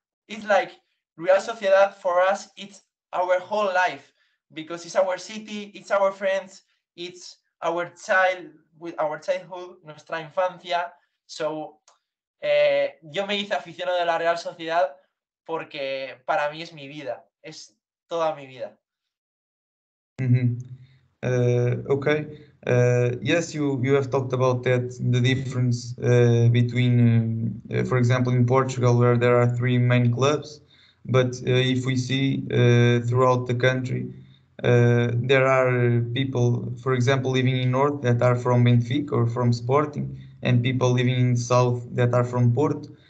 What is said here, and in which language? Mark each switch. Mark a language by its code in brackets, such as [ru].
[en] It's like Real Sociedad for us, it's our whole life because it's our city, it's our friends, it's our child with our childhood, [es] nuestra infancia. So yo me hice aficionado de la Real Sociedad porque para mí es mi vida, es toda mi vida. Mm-hmm. Okay. [en] Yes, you have talked about that, the difference between, for example, in Portugal, where there are three main clubs. But if we see throughout the country, there are people, for example, living in north that are from Benfica or from Sporting, and people living in south that are from Porto.